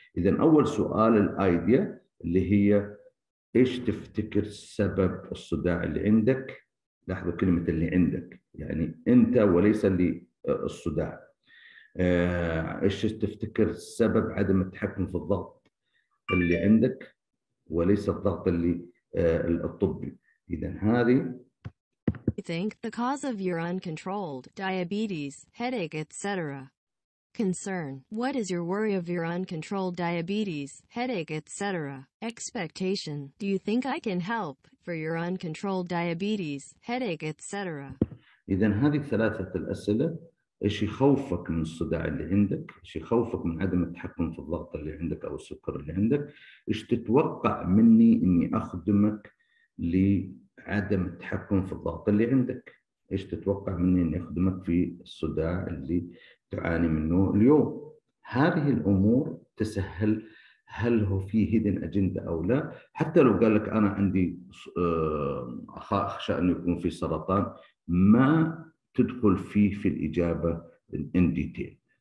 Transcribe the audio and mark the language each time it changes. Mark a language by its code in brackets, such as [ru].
[ar] اذا اول سؤال الايديا اللي هي ايش تفتكر سبب الصداع اللي عندك؟ لاحظوا كلمه اللي عندك، يعني انت وليس اللي الصداع. ايش تفتكر سبب عدم التحكم في الضغط اللي عندك وليس الضغط اللي الطبي؟ اذا هذه [en] I think the cause of your uncontrolled diabetes, headache, etc. Concern. What is your worry of your uncontrolled diabetes, headache, etc.? Expectation. Do you think I can help for your uncontrolled diabetes, headache, etc.? [ar] إذن هذه ثلاثة الأسئلة. إيش يخوفك من الصداع اللي عندك؟ إيش يخوفك من عدم التحكم في الضغط اللي عندك أو السكر اللي عندك؟ إيش تتوقع مني إني أخدمك لعدم التحكم في الضغط اللي عندك؟ إيش تتوقع مني إني أخدمك في الصداع اللي تعاني منه اليوم؟ هذه الأمور تسهل هل هو في هيدن أجندة أو لا؟ حتى لو قال لك أنا عندي أخشى أن يكون في سرطان، ما تدخل فيه في الإجابة [en] in detail.